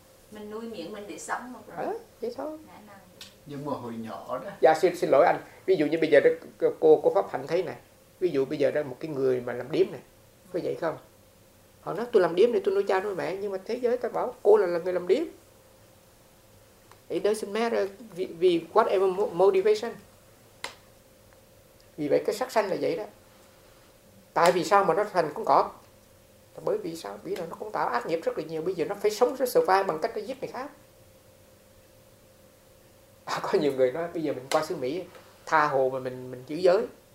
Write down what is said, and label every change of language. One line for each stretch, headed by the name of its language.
Vietnamese: Mình nuôi miệng mình để sống mà. Đó, vậy thôi. Nhưng mà hồi nhỏ đó. Dạ xin lỗi anh, ví dụ như bây giờ đó, cô Pháp Hạnh thấy nè, ví dụ bây giờ đó một cái người mà làm điếm nè, có vậy không? Họ nói tôi làm điếm này, tôi nuôi cha nuôi mẹ, nhưng mà thế giới ta bảo cô là người làm điếm.
English: It doesn't matter, vì whatever motivation.
Vietnamese: Vì vậy cái sắc xanh là vậy đó. Tại vì sao mà nó thành con cọp? Bởi vì sao? Vì là nó cũng tạo ác nghiệp rất là nhiều. Bây giờ nó phải sống sự survive bằng cách nó giết người khác. À, có nhiều người nói bây giờ mình qua xứ Mỹ, tha hồ mà mình giữ giới.